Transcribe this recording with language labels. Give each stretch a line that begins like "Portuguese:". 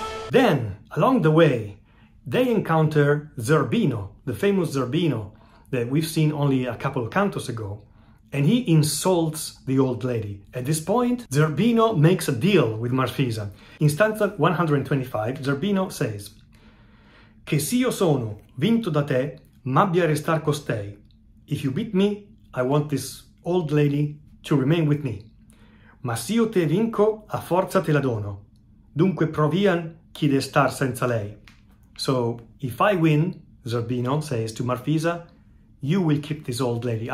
English: Then, along the way, they encounter Zerbino, the famous Zerbino that we've seen only a couple of cantos ago, and he insults the old lady. At this point, Zerbino makes a deal with Marfisa. In stanza 125, Zerbino says,
Italian: "Che s'io sono vinto da te, m'abbia restar costei.
English: If you beat me, I want this old lady to remain with me.
Italian: Ma s'io te vinco, a forza te la dono. Dunque provian chi de star senza lei."
English: So, if I win, Zerbino says to Marfisa, "You will keep this old lady.